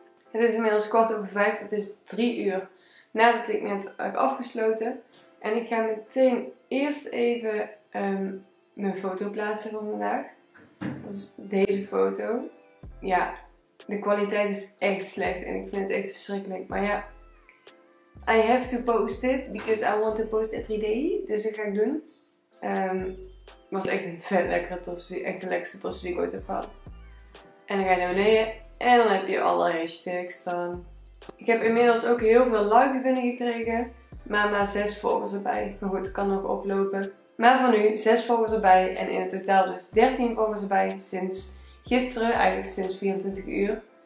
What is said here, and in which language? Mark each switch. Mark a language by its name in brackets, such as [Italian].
[Dutch] Het is inmiddels 4:15. Het is 3 uur nadat ik net heb afgesloten. En ik ga meteen eerst even mijn foto plaatsen van vandaag. Dat is deze foto. Ja, de kwaliteit is echt slecht en ik vind het echt verschrikkelijk. Maar ja, [English] I have to post it because I want to post every day. [Dutch] Dus dat ga ik doen. Het was echt een vet lekkere tosti. Echt de lekkerste tosti die ik ooit heb gehad. En dan ga je naar beneden en dan heb je alle hashtags dan. Ik heb inmiddels ook heel veel likes binnengekregen. Maar maar 6 volgers erbij. Maar goed, het kan nog oplopen. Maar van nu 6 volgers erbij en in het totaal dus 13 volgers erbij sinds gisteren, eigenlijk sinds 24 uur.